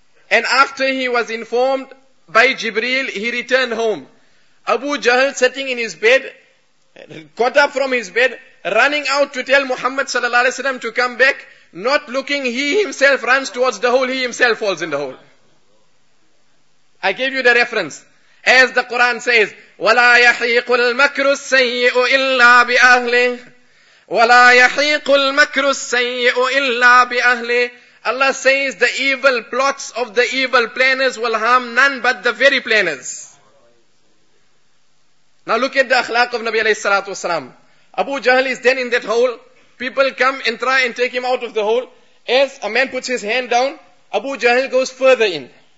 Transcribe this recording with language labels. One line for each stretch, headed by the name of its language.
English: And after he was informed by Jibreel, he returned home. Abu Jahl, sitting in his bed, got up from his bed, running out to tell Muhammad sallallahu alayhi wasallam to come back, not looking, he himself runs towards the hole, he himself falls in the hole. I gave you the reference. As the Quran says,
Arabic: وَلَا يَحِيقُ الْمَكْرُ السَّيِّئُ إِلَّا بِأَهْلِهِ وَلَا يَحِيقُ الْمَكْرُ السَّيِّئُ إِلَّا بِأَهْلِهِ.
English: Allah says the evil plots of the evil planners will harm none but the very planners. Now look at the akhlaq of Nabi alayhi salatu wasalam. Abu Jahl is then in that hole. People come and try and take him out of the hole. As a man puts his hand down, Abu Jahl goes further in.